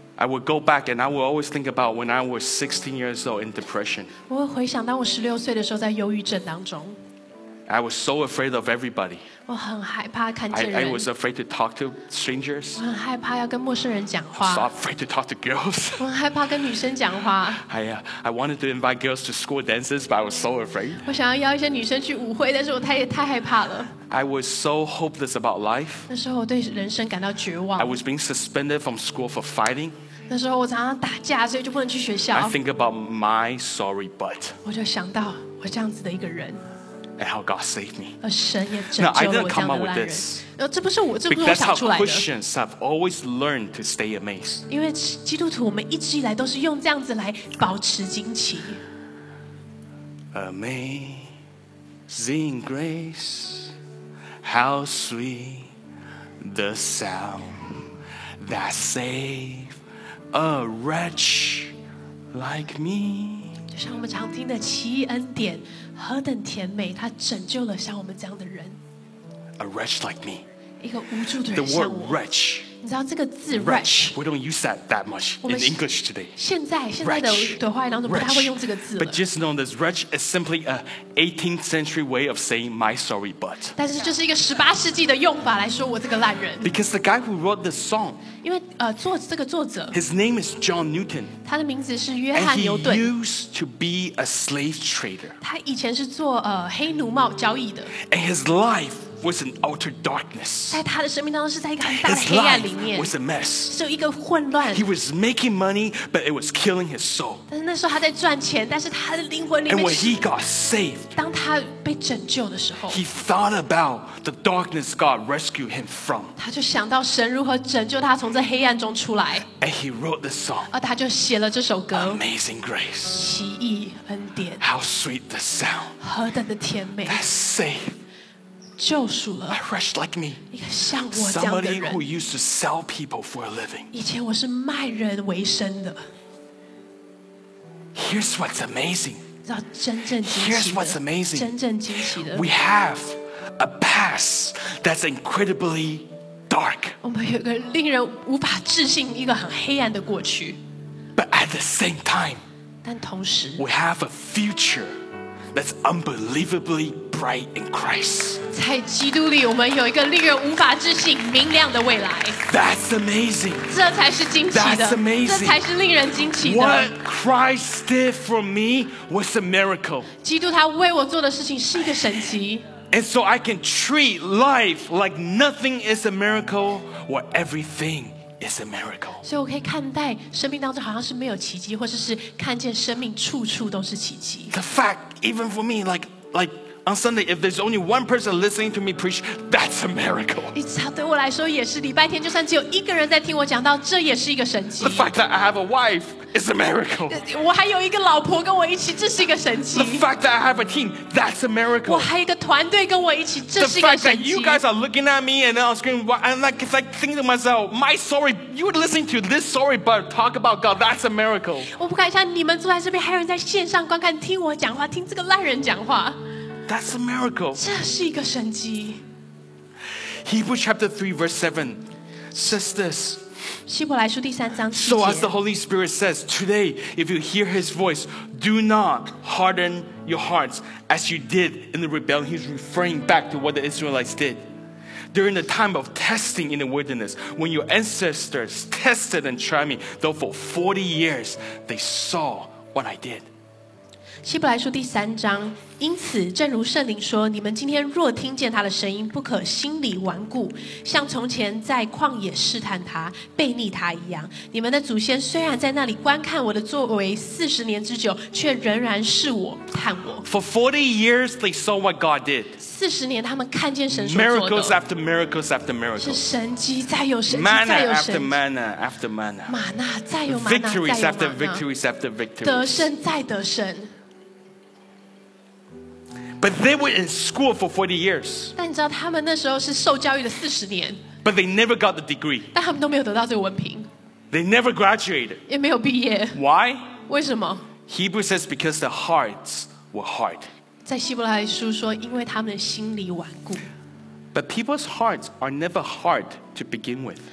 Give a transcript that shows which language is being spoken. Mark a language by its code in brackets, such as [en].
[en] I would go back and I would always think about when I was 16 years old in depression. [zh] 我会回想当我16岁的时候在忧郁症当中。 [en] I was so afraid of everybody. [zh] 我很害怕看见人。 [en] I was afraid to talk to strangers. [zh] 我很害怕要跟陌生人讲话。 [en] I was afraid to talk to girls. [zh] 我很害怕跟女生讲话。 [en] I wanted to invite girls to school dances, but I was so afraid. [zh] 我想要邀一些女生去舞会，但是我太害怕了。 [en] I was so hopeless about life. [zh] 那时候我对人生感到绝望。 [en] I was being suspended from school for fighting. [zh] 那时候我常常打架，所以就不能去学校。 [en] I think about my sorry butt. [zh] 我就想到我这样子的一个人。 [en] And how God saved me. [zh] 而神也拯救了我这样的烂人。 [en] Now, I didn't come up with this. [zh] 这不是我，这不是我想出来的。 [en] Because how Christians have always learned to stay amazed. [zh] 因为基督徒，我们一直以来都是用这样子来保持惊奇。 [en] Amazing grace, how sweet the sound that saved. A wretch like me. [zh] 就像我们常听的奇恩典，何等甜美！他拯救了像我们这样的人。 [en] A wretch like me. [zh] 一个无助的人。 [en] The word wretch. [zh] 你知道这个字 wretch? [en] We don't use that much in English today. [zh] 现在的华语当中不太会用这个字了。 [en] But just know this wretch is simply a 18th century way of saying my sorry butt. [zh] 但是就是一个十八世纪的用法来说我这个烂人。 [en] Because the guy who wrote this song. [zh] 因为作这个作者。 [en] His name is John Newton. [zh] 他的名字是约翰牛顿。 [en] And he used to be a slave trader. [zh] 他以前是做黑奴贸易的。 [en] And his life was in utter darkness. [zh] 在他的生命当中是在一个很大的黑暗里面。 [en] His life was a mess. [zh] 是一个混乱。 [en] He was making money, but it was killing his soul. [zh] 但是那时候他在赚钱，但是他的灵魂里面。 [en] And when he got saved, [zh] 当他被拯救的时候 [en] ，He thought about the darkness God rescued him from. [zh] 他就想到神如何拯救他从这黑暗中出来。 [en] And he wrote this song. [zh] 而他就写了这首歌。 [en] Amazing grace. [zh] 奇异恩典。 [en] How sweet the sound. [zh] 何等的甜美。 [en] That's safe. [zh] 救赎了 [en] a wretch like me, [zh] 一个像我这样的人 [en] somebody who used to sell people for a living. [zh] 以前我是卖人为生的 [en] Here's what's amazing. [zh] 知道真正惊奇的 [en] Here's what's amazing. [zh] 真正惊奇的 [en] We have a past that's incredibly dark. [zh] 我们有个令人无法置信一个很黑暗的过去 [en] But at the same time, [zh] 但同时 [en] we have a future that's unbelievably bright in Christ. [zh] 在基督里，我们有一个令人无法置信、明亮的未来。 [en] That's amazing. [zh] 这才是惊奇的。 [en] That's amazing. [zh] 这才是令人惊奇的。 [en] What Christ did for me was a miracle. [zh] 基督他为我做的事情是一个神奇。 [en] And so I can treat life like nothing is a miracle, or everything is a miracle. [zh] 所以我可以看待生命当中好像是没有奇迹，或者是看见生命处处都是奇迹。 [en] The fact, even for me, like. On Sunday, if there's only one person listening to me preach, that's a miracle. [zh] 对我来说也是礼拜天，就算只有一个人在听我讲到，这也是一个神迹。 [en] The fact that I have a wife is a miracle. [zh] 我还有一个老婆跟我一起，这是一个神迹。 [en] The fact that I have a team, that's a miracle. [zh] 我还有一个团队跟我一起，这是一个神迹。 [en] The fact that you guys are looking at me and I'm screaming, and like thinking to myself, my story, you were listening to this story, but talk about God, that's a miracle. [zh] 我不敢想你们坐在这边，还有人在线上观看，听我讲话，听这个烂人讲话。 [en] That's a miracle. [zh] 这是一个神迹。 [en] Hebrews chapter 3 verse 7 says this. [zh] 希伯来书第三章七节。 [en] So as the Holy Spirit says, today, if you hear His voice, do not harden your hearts as you did in the rebellion. He's referring back to what the Israelites did. During the time of testing in the wilderness, when your ancestors tested and tried me, though for 40 years, they saw what I did. [zh] 希伯来书第三章，因此，正如圣灵说，你们今天若听见他的声音，不可心里顽固，像从前在旷野试探他、悖逆他一样。你们的祖先虽然在那里观看我的作为40年之久，却仍然视我、看我。 [en] For 40 years, they saw what God did. [zh] 四十年，他们看见神所做的。 [en] Miracles after miracles after miracles. [zh] 是神迹，再有神迹，再有神迹。 [en] Manna after manna after manna. [zh] 玛纳再有玛纳。 [en] Victories after victories after victories. [zh] 得胜再得胜。 [en] But they were in school for 40 years. [zh] 但你知道他们那时候是受教育的40年。 [en] But they never got the degree. [zh] 但他们都没有得到这个文凭。 [en] They never graduated. [zh] 也没有毕业。 [en] Why? [zh] 为什么? [en] Hebrews says because their hearts were hard. [zh] 在希伯来书说因为他们的心里顽固。 [en] But people's hearts are never hard to begin with.